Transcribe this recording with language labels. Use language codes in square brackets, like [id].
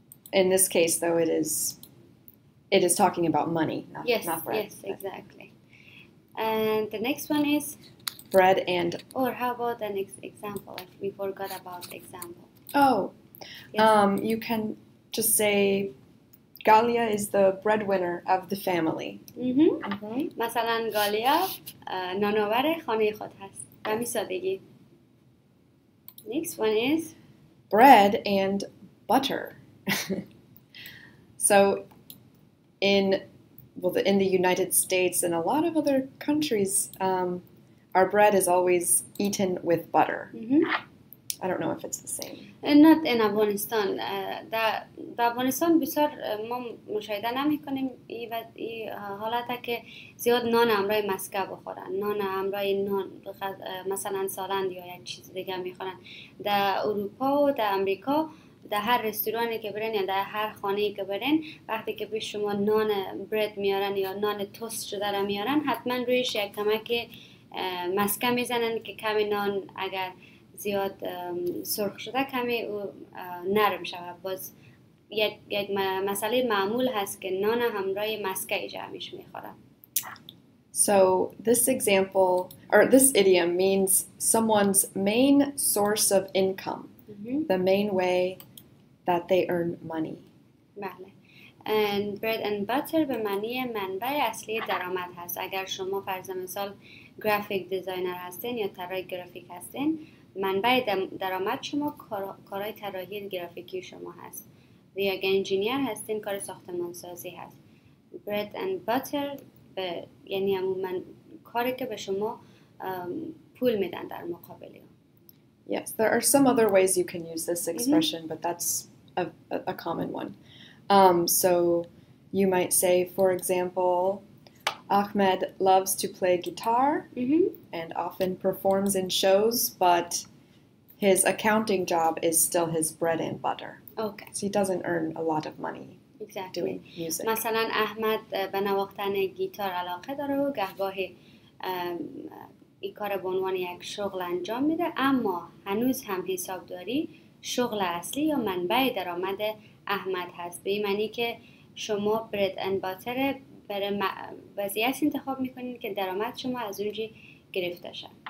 [en] In this case though it is talking about money, not bread. Yes, exactly. And the next one is bread and or how about the next example? We forgot about the example. Oh. Yes. You can just say Galia is the breadwinner of the family. [fa] مثلا گالیا نانآور خانه خود هست. [en] همین سادگی. Next one is bread and butter. So in the United States and a lot of other countries our bread is always eaten with butter. I don't know if it's the same. Not in Afghanistan. [fa] در افغانستان بسیار ما مشاهده نمی کنیم این حالت که زیاد نان همراه مسکه بخورن. نان همراه نان مثلا سالند یا یک چیز دیگه می خورن. در اروپا و در امریکا در هر رستورانی که برین یا در هر خانه‌ای که برین وقتی که پیش شما نان برید میارن یا نان توست شده را میارن حتما رویش یک کمک مسکه می زنن که کمی نان اگر زیاد سرخ شده کمی او نرم شود. باز یک مسئله معمول هست که نان همراه مسکه جمعش میخورن. [en] So this example or this idiom means someone's main source of income. The main way that they earn money. [fa] بله. And bread and butter به معنی منبع اصلی درآمد هست. اگر شما فرض مثال گرافیک دیزاینر هستین یا طراح گرافیک هستین منبع درآمد شما کارهای طراحی گرافیکی شما هست. و یا انجینیر هستین کار ساختمان سازی هست. Bread and butter یعنی عموماً کاری که به شما پول میدن در مقابل. [en] Yes, there are some other ways you can use this expression, but that's a common one. So you might say, for example, Ahmed loves to play guitar and often performs in shows, but his accounting job is still his bread and butter. Okay. So he doesn't earn a lot of money exactly. doing music. [fa] مثلا احمد به نواختن گیتار علاقه داره و گهگاهی این کار به عنوان یک شغل انجام میده اما هنوز هم حسابداری شغل اصلی یا منبع درآمد احمد هست، به این معنی که شما برد ان باتر برای وضعیت انتخاب میکنید که درآمد شما از اونجا گرفته شد.